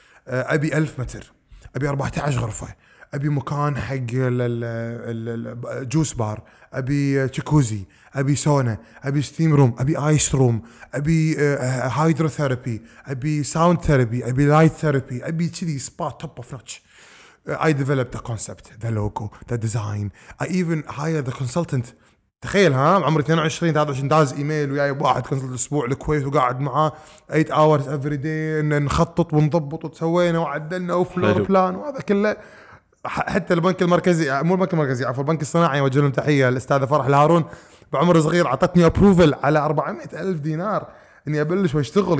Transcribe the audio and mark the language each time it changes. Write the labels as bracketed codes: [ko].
[ar] أبي 1000 متر، أبي 14 غرفة، أبي مكان حق الجوس بار، أبي تشيكوزي، أبي سونا، أبي ستيم روم، أبي آيس روم، أبي هايدرو ثيرابي، أبي ساوند ثيرابي، أبي لايت ثيرابي، أبي كذي سبا [en] Top of notch. I developed the concept, the logo, the design. I even hired the consultant. [ar] تخيل ها، عمري 22 23 داز ايميل وياي واحد كونسلت اسبوع للكويت، وقاعد معاه [en] 8 hours every day، [ar] نخطط ونضبط وتسوينا وعدلنا وفلور بلان وهذا كله. حتى البنك المركزي، مو البنك المركزي عفوا، البنك الصناعي، وجه لهم تحيه، الاستاذ فرح الهارون بعمر صغير عطتني ابروفل على 400,000 دينار اني ابلش واشتغل.